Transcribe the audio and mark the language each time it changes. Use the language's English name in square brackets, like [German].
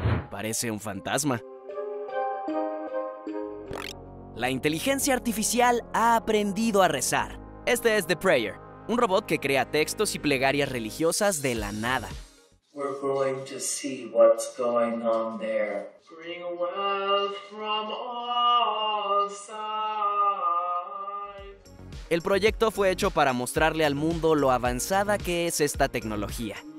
[Spanish] Parece un fantasma. La inteligencia artificial ha aprendido a rezar. Este es The Prayer, un robot que crea textos y plegarias religiosas de la nada. [English] We're going to see what's going on there. Bring wealth from all sides. [Spanish] El proyecto fue hecho para mostrarle al mundo lo avanzada que es esta tecnología.